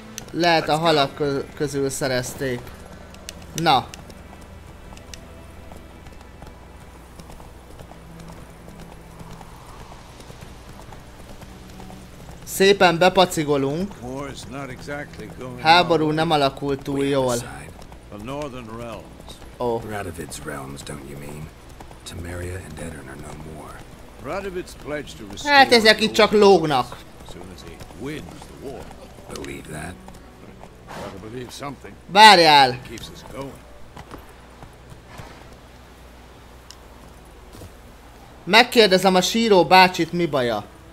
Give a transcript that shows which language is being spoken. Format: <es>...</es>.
<hu>Lehet a halak közül szerezték. Na. Szépen bepacigolunk. Háború nem alakult túl jól.</hu> <en>Radovid's realms, don't you mean? Temeria and Edirne are no more. Radovid's pledged to restore.</en> <hu>Hát ezek itt csak lógnak.</hu> <en>Believe that.</en> <hu>Várjál! Megkérdezem a síró bácsit, mi baja?</hu>